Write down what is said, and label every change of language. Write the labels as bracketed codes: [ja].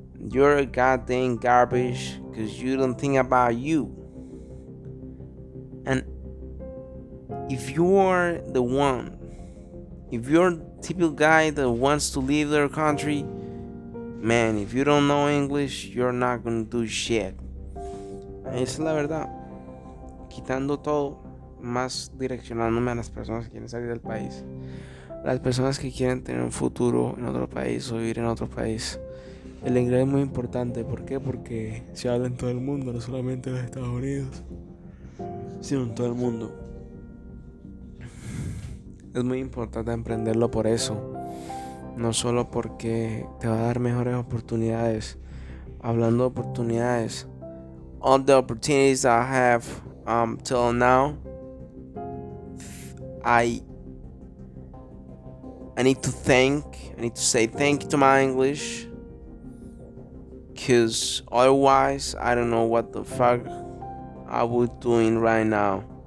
[en] You're a goddamn garbage because you don't think about you. And if you are the one, if you're the typical guy that wants to leave their country, man, if you don't know English, you're not going to do shit. [es] Esa es la verdad. Quitando todo, más direccionándome a las personas que quieren salir del país. Las personas que quieren tener un futuro en otro país o vivir en otro país. El inglés es muy importante. ¿Por qué? Porque se habla en todo el mundo, no solamente en los Estados Unidos, sino en todo el mundo. Es muy importante emprenderlo por eso, no solo porque te va a dar mejores oportunidades. Hablando de oportunidades, [en] all the opportunities I have till now, I need to say thank you to my English, because otherwise I don't know what the fuck I would be doing right now.